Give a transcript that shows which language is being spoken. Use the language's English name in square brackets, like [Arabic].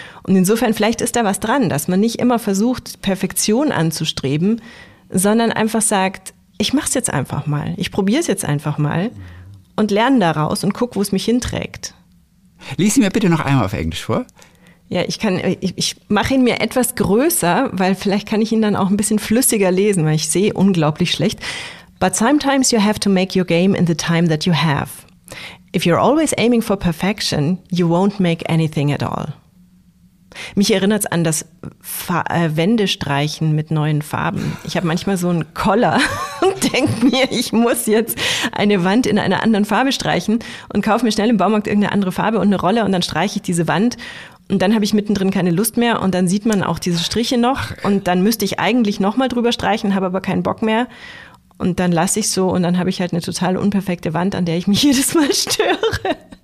[German] Und insofern, vielleicht ist da was dran, dass man nicht immer versucht, Perfektion anzustreben, sondern einfach sagt, ich mach's jetzt einfach mal. Ich probiere es jetzt einfach mal und lerne daraus und guck, wo es mich hinträgt. Lies sie mir bitte noch einmal auf Englisch vor. Ja, ich mache ihn mir etwas größer, weil vielleicht kann ich ihn dann auch ein bisschen flüssiger lesen, weil ich sehe unglaublich schlecht. [English] But sometimes you have to make your game in the time that you have. If you're always aiming for perfection, you won't make anything at all. [German] Mich erinnert es an das Wendestreichen mit neuen Farben. Ich habe manchmal so einen Koller und denke mir, ich muss jetzt eine Wand in einer anderen Farbe streichen und kaufe mir schnell im Baumarkt irgendeine andere Farbe und eine Rolle und dann streiche ich diese Wand. Und dann habe ich mittendrin keine Lust mehr und dann sieht man auch diese Striche noch und dann müsste ich eigentlich nochmal drüber streichen, habe aber keinen Bock mehr und dann lasse ich es so und dann habe ich halt eine total unperfekte Wand, an der ich mich jedes Mal störe.